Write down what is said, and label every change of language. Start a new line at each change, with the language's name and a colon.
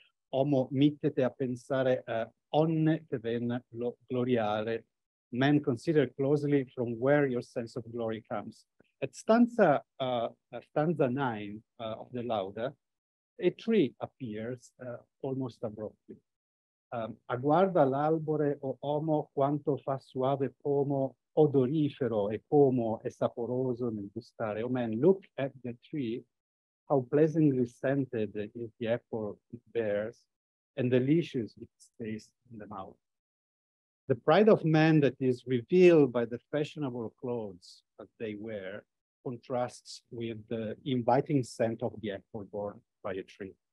Italian: Homo mittete a pensare onne te ven lo gloriare.
English: Men, consider closely from where your sense of glory comes. At stanza 9 of the Lauda, a tree appears almost abruptly.
Italian: Aguarda l'albore o homo quanto fa suave pomo odorifero e pomo e saporoso nel gustare.
English: Oh man, look at the tree, how pleasantly scented is the apple it bears and delicious its taste in the mouth. The pride of man that is revealed by the fashionable clothes that they wear contrasts with the inviting scent of the apple born by a tree.